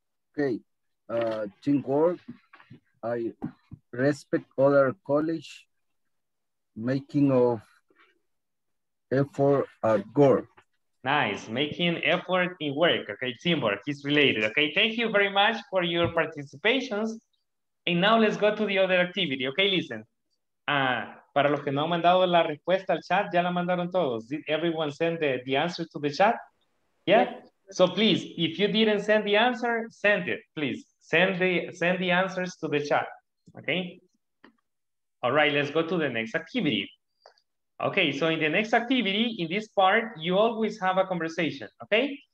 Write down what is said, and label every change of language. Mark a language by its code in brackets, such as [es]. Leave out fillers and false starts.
[en] Okay, teamwork, I respect other college, making of effort at goal. Nice, making effort in work, okay, teamwork is related. Okay, thank you very much for your participations. And now let's go to the other activity, okay, listen. [es] Para los que no han mandado la respuesta al chat, ya la mandaron todos. [en] Did everyone send the answer to the chat? Yeah? So please, if you didn't send the answer, send it, please. Send the answers to the chat, okay? All right, let's go to the next activity. Okay, so in the next activity, in this part, you always have a conversation, okay?